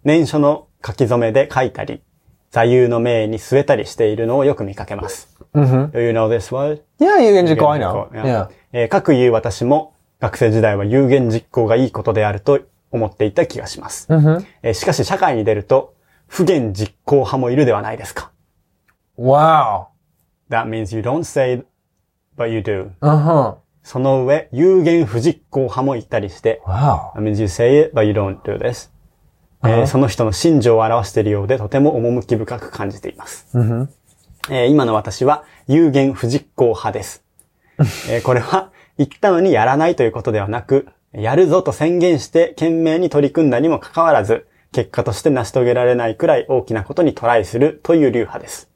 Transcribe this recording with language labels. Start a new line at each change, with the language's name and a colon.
Japanese: 念書の書き初めで書いたり、座右の銘に据えたりしているのをよく見かけます。うん、
English: you know this word? Yeah, 有言実行、I know. Yeah.
Japanese: 各言う私も学生時代は有言実行がいいことであると思っていた気がします。うん、しかし社会に出ると、不言実行派もいるではないですか。 Wow.
English: That means you don't say, but you do. Uh-huh.
Japanese: その上、有言不実行派もいたりして。 Wow.
English: That means you say it, but you don't do this. Uh-huh.
Japanese: その人の心情を表しているようで、とても趣深く感じています。 Uh-huh. 今の私は、有言不実行派です。これは、言ったのにやらないということではなく、やるぞと宣言して懸命に取り組んだにもかかわらず、結果として成し遂げられないくらい大きなことにトライするという流派です。